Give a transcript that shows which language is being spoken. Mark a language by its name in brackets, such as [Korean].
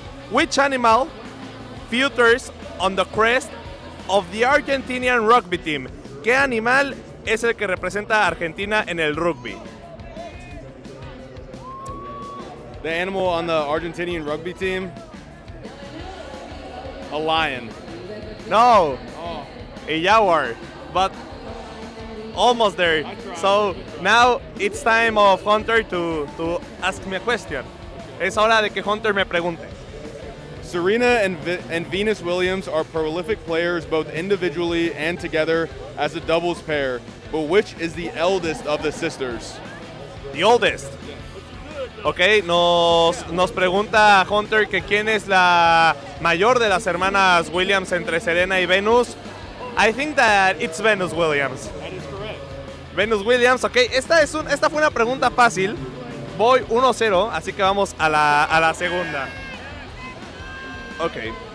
[English] Which animal features on the crest of the Argentinian rugby team? [Spanish] ¿Qué animal es el que representa a Argentina en el rugby? [English] The animal on the Argentinian rugby team? A lion. No. A jaguar. But almost there. So now it's time of Hunter to ask me a question. [Spanish] Es hora de que Hunter me pregunte. [English] Serena and Venus Williams are prolific players both individually and together as a doubles pair. But which is the eldest of the sisters? The oldest. [Spanish] Okay, nos pregunta Hunter que quién es la mayor de las hermanas Williams entre Serena y Venus. [English] I think that it's Venus Williams. That is correct. [Spanish] Venus Williams, okay. Esta fue una pregunta fácil. Voy 1-0, así que vamos a la segunda. Okay.